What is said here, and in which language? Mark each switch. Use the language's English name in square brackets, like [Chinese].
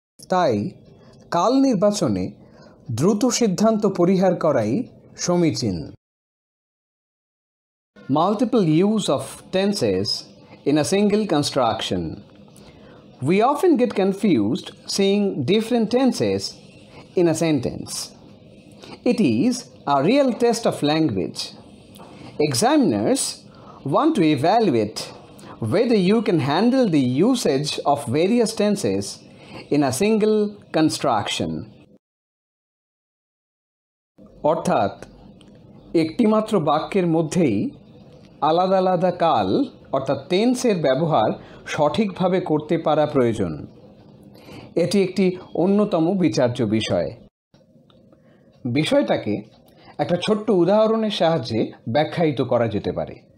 [Bangla] তাই কাল নির্বাচনে দ্রুত সিদ্ধান্ত পরিহার করাই সমীচীন। [English] Multiple use of tenses in a single construction. We often get confused seeing different tenses in a sentence. It is a real test of language. Examiners want to evaluate whether you can handle the usage of various tenses in a single construction. [Bangla] অর্থাৎ একটিমাত্র বাক্যের মধ্যেই আলাদা আলাদা কাল অর্থাৎ টেন্সের ব্যবহার সঠিকভাবে করতে পারা প্রয়োজন। এটি একটি অন্যতম বিচার্য বিষয়। বিষয়টাকে একটা ছোট্ট উদাহরণের সাহায্যে ব্যাখ্যায়িত করা যেতে পারে।